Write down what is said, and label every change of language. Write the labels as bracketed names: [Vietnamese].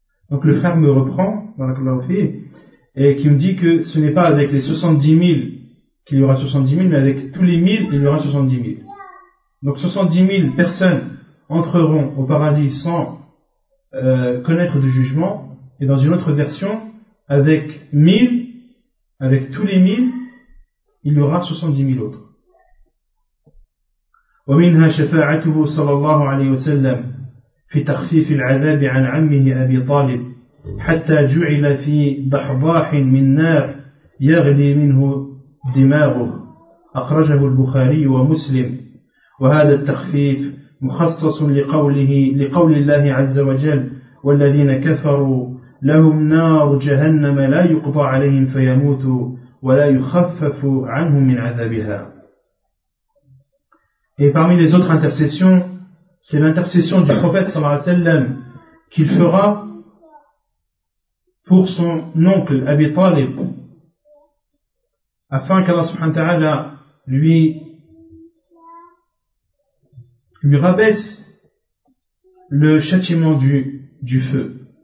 [French] Donc le frère me reprend et qui me dit que ce n'est pas avec les 70 000 qu'il y aura 70 000, mais avec tous les 1 000, il y aura 70 000. Donc 70 000 personnes entreront au paradis sans connaître de jugement, et dans une autre version, avec 1 000, avec tous les 1 000, il y aura 70 000 autres. [Arabic] ومنها شفاعته صلى الله عليه وسلم في تخفيف العذاب عن عمه أبي طالب حتى جعل في ضحضاح من نار يغلي منه دماغه أخرجه البخاري ومسلم. وهذا التخفيف مخصص لقول الله عز وجل والذين كفروا لهم نار جهنم لا يقضى عليهم فيموتوا ولا يخفف عنهم من عذابها. [French] Et parmi les autres intercessions, c'est l'intercession du prophète sallallahu alayhi wa sallam qu'il fera pour son oncle Abi Talib, afin qu'Allah subhanahu wa ta'ala lui rabaisse le châtiment du feu.